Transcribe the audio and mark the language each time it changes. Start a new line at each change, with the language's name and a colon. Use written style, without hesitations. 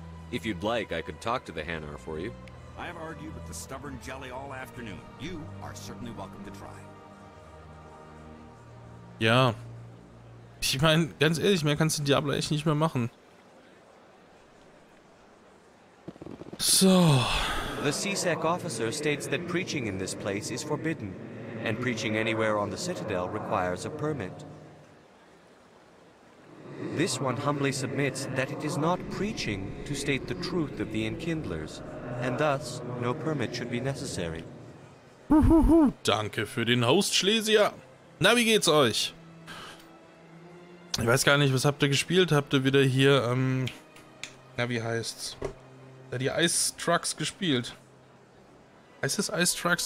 English: If you'd like, I could talk to the Hanar for you. I have argued with the stubborn jelly all afternoon. You are certainly welcome to try.
German: Ja. Ich meine, ganz ehrlich, mehr kannst du Diablo echt nicht mehr machen. So.
English: The CSEC officer states that preaching in this place is forbidden. And preaching anywhere on the Citadel requires a permit. This one humbly submits that it is not preaching to state the truth of the Enkindlers, and thus no permit should be necessary.
German: Danke für den Host, Schlesier. Na, wie geht's euch? Ich weiß gar nicht, was habt ihr gespielt? Habt ihr wieder hier, na, wie heißt's? Die Ice Trucks gespielt. Heißt es Ice Trucks?